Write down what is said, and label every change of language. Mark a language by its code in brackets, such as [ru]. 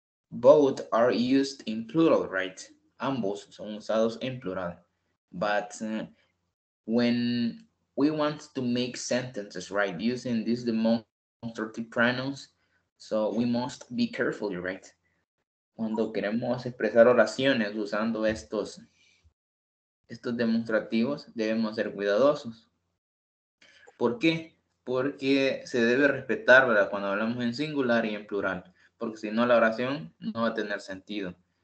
[en] Both are used in plural, right? [es] Ambos son usados en plural. [en] But when we want to make sentences, right, using these demonstrative pronouns, so we must be careful, right? [es] Cuando queremos expresar oraciones usando estos demostrativos, debemos ser cuidadosos. ¿Por qué? Porque se debe respetar, ¿verdad? Cuando hablamos en singular y en plural, porque si no, la oración no va a tener sentido.